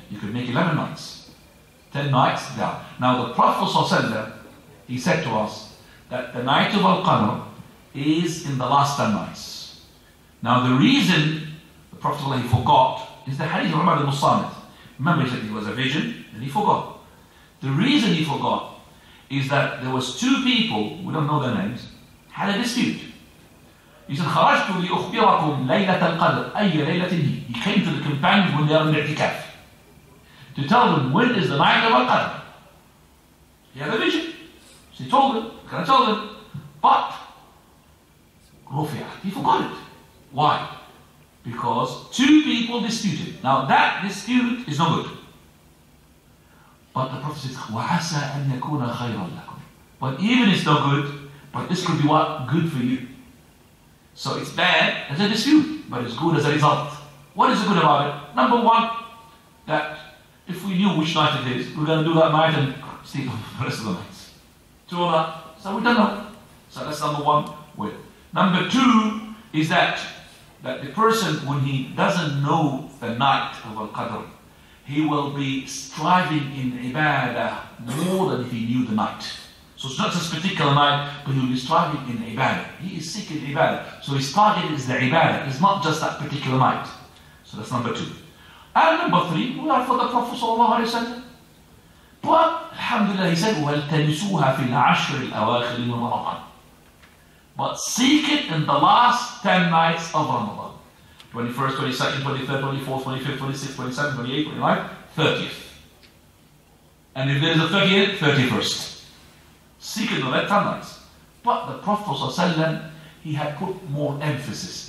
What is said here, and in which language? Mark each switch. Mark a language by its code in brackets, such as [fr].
[en] You could make 11 nights. 10 nights down. Now, the Prophet ﷺ, he said to us that the night of Al-Qadr is in the last 10 nights. Now, the reason the Prophet ﷺ, he forgot is the hadith of Umar al-Musanid. Remember, he said it was a vision, and he forgot. The reason he forgot is that there was two people, we don't know their names, had a dispute. He said, [ar] خَرَجْتُ لِأُخْبِرَكُمْ لَيْلَةَ الْقَدْرِ أَيَّ لَيْلَةٍ هِي. [en] He came to the companions when they are in the i'tikaf to tell them, when is the night of Al-Qadr? He had a vision. So he told them, can I tell them? But, رُفِعَتْ, he forgot it. Why? Because two people disputed. Now that dispute is no good. But the Prophet says, [ar] وَعَسَىٰ أَنْ يَكُونَ خَيْرًا لَكُمْ. [en] But even it's not good, but this could be what? Good for you. So it's bad as a dispute, but it's good as a result. What is good about it? Number one, that if we knew which night it is, we're going to do that night and sleep for the rest of the nights. Two of that, so we don't know. So that's number one. Wait. Number two is that the person, when he doesn't know the night of Al-Qadr, he will be striving in ibadah more than if he knew the night. So it's not this particular night, but he'll be striving in ibadah. He is sick in ibadah. So his target is the ibadah. It's not just that particular night. So that's number two. And number three, we are for the Prophet sallallahu alayhi wa sallam. But, alhamdulillah, he said, [ar] وَالْتَمِسُوهَا فِي الْعَشْرِ الْأَوَاخِرِ مِنْ رَمَضَانِ. [en] But seek it in the last 10 nights of Ramadan. 21st, 22nd, 23rd, 24th, 25th, 26th, 27th, 28th, 29th, 30th. And if there is a 30th, 31st. Seek it in the 10 nights. But the Prophet ﷺ, he had put more emphasis.